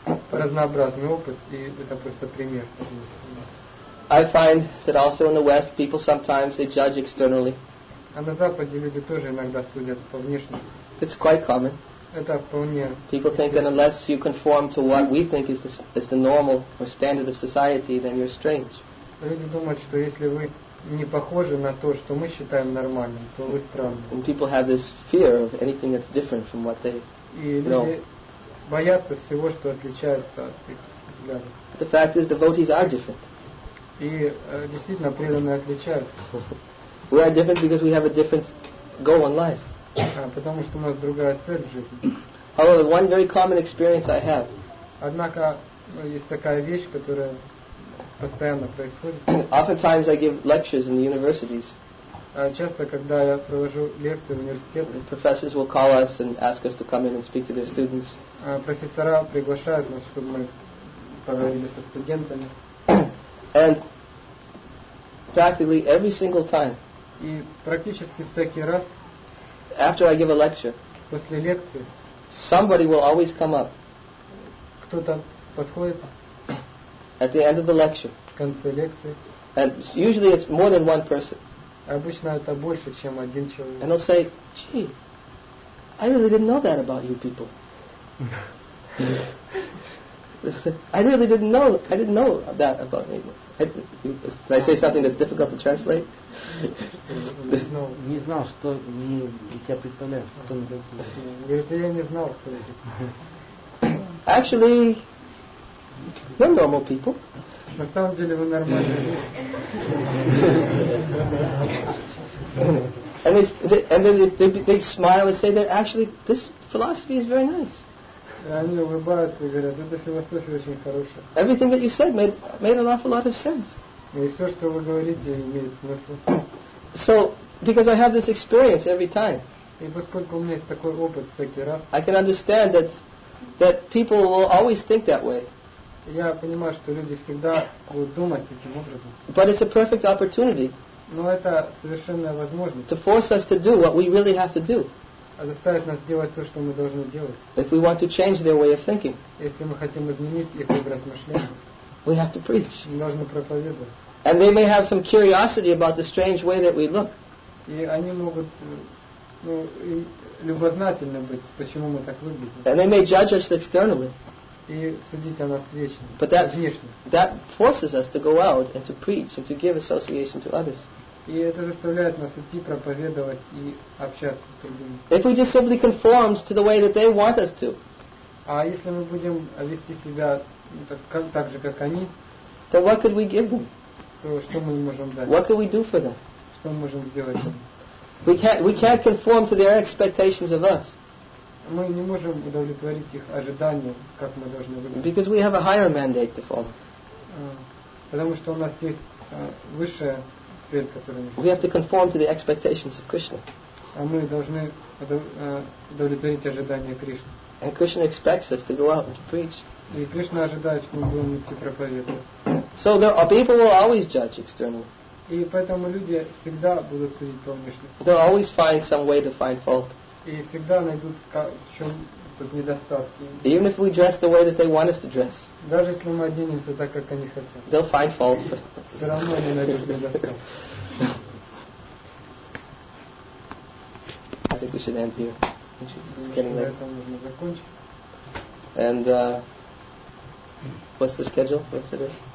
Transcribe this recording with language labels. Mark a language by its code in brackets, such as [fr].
[ru] Разнообразный опыт, и это просто пример. [en] I find that also in the West people sometimes they judge externally. [ru] А на Западе люди тоже иногда судят по внешности. [en] It's quite common. [ru] Это вполне. [en] People think that unless you conform to what we think is the normal or standard of society, then you're strange. [ru] Люди думают, что если вы не похоже на то, что мы считаем нормальным, то вы странны. [en] And people have this fear of anything that's different from what they know. [ru] И люди боятся всего, что отличается от их взглядов. [en] The fact is, devotees are different. [ru] И действительно, преданные отличаются. [en] We are different because we have a different goal in life. [ru] Потому что у нас другая цель в жизни. [en] However, one very common experience I have. [ru] Однако есть такая вещь, которая постоянно происходит. [en] Oftentimes I give lectures in the universities. [ru] Часто, когда я провожу лекции в университетах, [en] professors will call us and ask us to come in and speak to their students. [ru] Профессора приглашают нас, чтобы мы поговорили со студентами. [en] And practically every single time. [ru] И практически всякий раз. [en] After I give a lecture. [ru] После лекции. [en] Somebody will always come up. [ru] Кто-то подходит. [en] At the end of the lecture. [ru] В конце лекции. [en] And usually it's more than one person. [ru] Обычно это больше, чем один человек. [en] And they'll say, gee, I really didn't know that about you people. I didn't know that about me. Did I say something that's difficult to translate? [ru] Не знал, что не из себя представляю, кто мы такие. Говорит, я не знал, кто это. [en] Actually, we're normal people. [ru] На самом деле вы нормальные. [en] And they smile and say that actually this philosophy is very nice. [ru] Они улыбаются и говорят, эта философия очень хорошая. [en] Everything that you said made an awful lot of sense. [ru] И все, что вы говорите, имеет смысл. [en] So, because I have this experience every time. [ru] И поскольку у меня есть такой опыт всякий раз. [en] I can understand that people will always think that way. [ru] Я понимаю, что люди всегда будут думать таким образом. [en] But it's a perfect opportunity. [ru] Но это совершенная возможность. [en] To force us to do what we really have to do. [ru] А заставить нас делать то, что мы должны делать. [en] If we want to change their way of thinking. [ru] Если мы хотим изменить их образ мышления. [en] We have to preach. [ru] Мы должны проповедовать. [en] And they may have some curiosity about the strange way that we look. [ru] И они могут, и любознательны быть, почему мы так выглядим. [en] And they may judge us externally. [ru] И судить о нас вечно. [en] But that forces us to go out and to preach and to give association to others. [ru] И это заставляет нас идти проповедовать и общаться с другими. [en] If we just simply conform to the way that they want us to. [ru] А если мы будем вести себя так же, как они, [en] then what could we give them? [ru] То что мы можем дать? [en] What could we do for them? [ru] Что мы можем сделать им? [en] We can't conform to their expectations of us. [ru] Мы не можем удовлетворить их ожидания, как мы должны выглядеть. [en] Because we have a higher mandate to follow. [ru] Потому что у нас есть высшая цель, которую мы. [en] We have to conform to the expectations of Krishna. [ru] А мы должны удовлетворить ожидания Кришны. [en] And Krishna expects us to go out and to preach. [ru] И Кришна ожидает, что мы будем идти проповедовать. [en] So there are people will always judge externally. [ru] И поэтому люди всегда будут судить по внешности. [en] They'll always find some way to find fault. [ru] И всегда найдут в чем тут недостатки. [en] Even if we dress the way that they want us to dress. [ru] Даже если мы оденемся так, как они хотят. [en] They'll find fault. [ru] Все равно они найдут недостатки. [en] I think we should end here. It's getting late. And what's the schedule for today?